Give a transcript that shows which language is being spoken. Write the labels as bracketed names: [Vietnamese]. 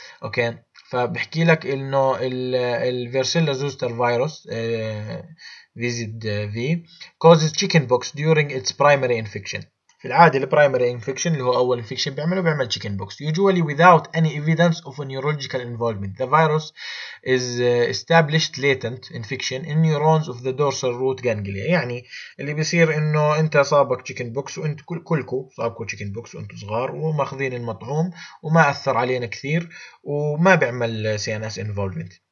[Arabic] اوكي فبحكي لك انه [English] الفيروسيلا zoster virus فيزيد في causes chicken pox during its primary infection. [Arabic] في العادة البرايمري انفكشن اللي هو اول انفكشن بيعمله بيعمل تشيكن بوكس يوجوالي [English] without any evidence of a neurological involvement. The virus is established latent infection in neurons of the dorsal root ganglia. [Arabic] يعني اللي بيصير انه انت صابك تشيكن بوكس وانت كلكو صابكو تشيكن بوكس وانتو صغار وماخذين المطعوم وما اثر علينا كثير وما بيعمل CNS involvement.